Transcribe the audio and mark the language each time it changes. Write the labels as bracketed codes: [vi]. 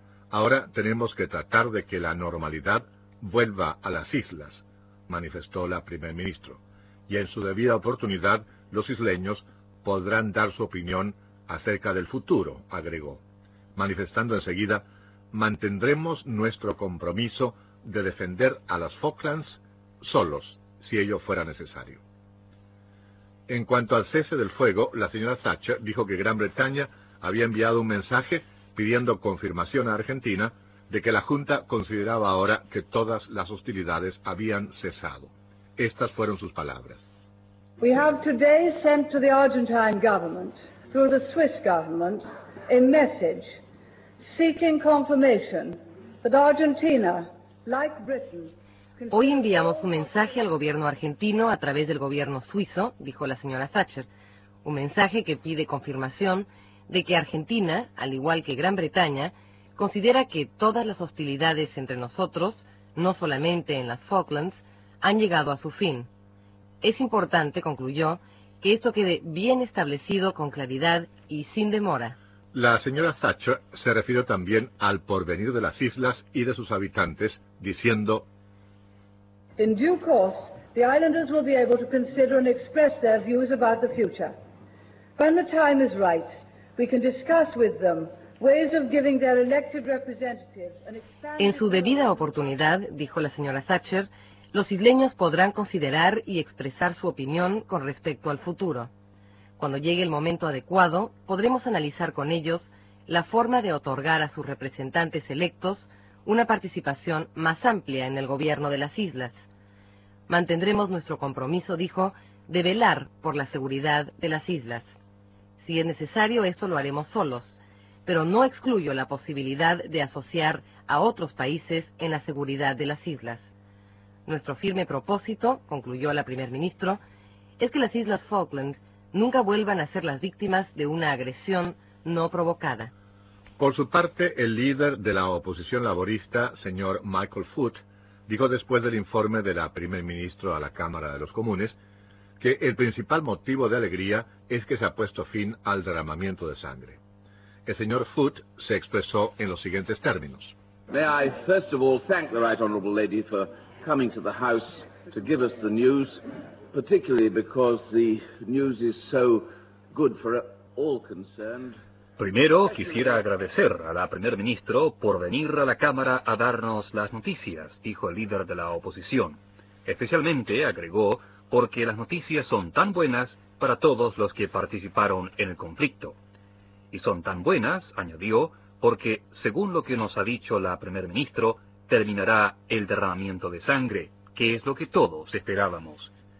[es] Ahora tenemos que tratar de que la normalidad vuelva a las islas, manifestó la primer ministro, y en su debida oportunidad los isleños podrán dar su opinión acerca del futuro, agregó, manifestando enseguida, mantendremos nuestro compromiso de defender a las Falklands solos, si ello fuera necesario. En cuanto al cese del fuego, la señora Thatcher dijo que Gran Bretaña había enviado un mensaje pidiendo confirmación a Argentina de que la Junta consideraba ahora que todas las hostilidades habían cesado. Estas fueron sus palabras. [en] We have today sent to the Argentine government, through the Swiss government, a message seeking confirmation that Argentina, like Britain, [es] Hoy enviamos un mensaje al gobierno argentino a través del gobierno suizo, dijo la señora Thatcher, un mensaje que pide confirmación de que Argentina, al igual que Gran Bretaña, considera que todas las hostilidades entre nosotros, no solamente en las Falklands, han llegado a su fin. Es importante, concluyó, que esto quede bien establecido con claridad y sin demora. La señora Thatcher se refirió también al porvenir de las islas y de sus habitantes, diciendo... [en] In due course, the islanders will be able to consider and express their views about the future. When the time is right, we can discuss with them ways of giving their elected representatives an expanded... [es] En su debida oportunidad, dijo la señora Thatcher, los isleños podrán considerar y expresar su opinión con respecto al futuro. Cuando llegue el momento adecuado, podremos analizar con ellos la forma de otorgar a sus representantes electos una participación más amplia en el gobierno de las islas. Mantendremos nuestro compromiso, dijo, de velar por la seguridad de las islas. Si es necesario, esto lo haremos solos, pero no excluyo la posibilidad de asociar a otros países en la seguridad de las islas. Nuestro firme propósito, concluyó la primer ministro, es que las islas Falkland nunca vuelvan a ser las víctimas de una agresión no provocada. Por su parte, el líder de la oposición laborista, señor Michael Foot, dijo después del informe de la primer ministro a la Cámara de los Comunes que el principal motivo de alegría es que se ha puesto fin al derramamiento de sangre. El señor Foot se expresó en los siguientes términos. [en] May I first of all thank the right honorable lady for coming to the house to give us the news, particularly because the news is so good for all concerned. [es] Primero, quisiera agradecer a la primer ministro por venir a la Cámara a darnos las noticias, dijo el líder de la oposición. Especialmente, agregó, porque las noticias son tan buenas para todos los que participaron en el conflicto. Y son tan buenas, añadió, porque, según lo que nos ha dicho la primer ministro, terminará el derramamiento de sangre, que es lo que todos esperábamos.